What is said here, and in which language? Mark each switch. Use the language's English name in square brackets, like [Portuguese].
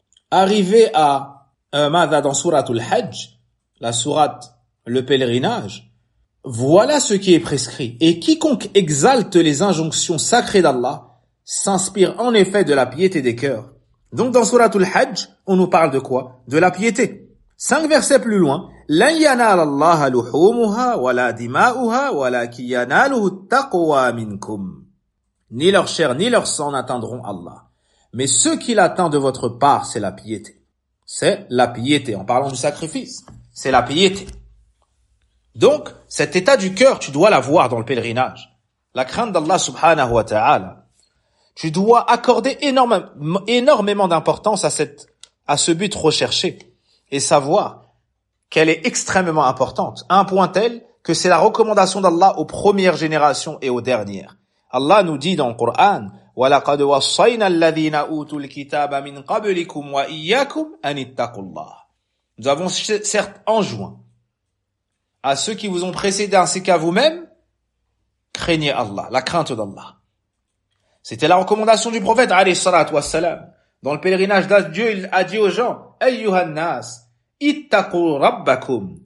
[French] Arrivé à Mada dans Sourate Al-Hajj, la Sourate, le pèlerinage, voilà ce qui est prescrit. Et quiconque exalte les injonctions sacrées d'Allah s'inspire en effet de la piété des cœurs. Donc dans Sourate Al-Hajj, on nous parle de quoi? De la piété. 5 versets plus loin, [Arabic] لن ينال الله لحومها ولا دماؤها ولكن يناله التقوى منكم. [French] Ni leur chair ni leur sang n'atteindront Allah. Mais ce qu'il attend de votre part, c'est la piété. C'est la piété. En parlant du sacrifice, c'est la piété. Donc, cet état du cœur, tu dois l'avoir dans le pèlerinage. La crainte d'Allah subhanahu wa ta'ala. Tu dois accorder énormément d'importance à ce but recherché et savoir qu'elle est extrêmement importante. À un point tel que c'est la recommandation d'Allah aux premières générations et aux dernières. Allah nous dit dans le Coran, [Arabic] وَلَقَدْ وَصَّيْنَا الَّذِينَ أُوتُوا الْكِتَابَ مِنْ قَبْلِكُمْ وَإِيَّاكُمْ أَنِ اتَّقُوا اللَّهَ. [French] Nous avons certes enjoint à ceux qui vous ont précédé ainsi qu'à vous-même, craignez Allah, la crainte d'Allah. C'était la recommandation du prophète, alayhi salatu wa salam. Dans le pèlerinage d'Dieu, il a dit aux gens, [Arabic] أَيُّهَا النَّاسِ اتَّقُوا رَبَّكُمْ.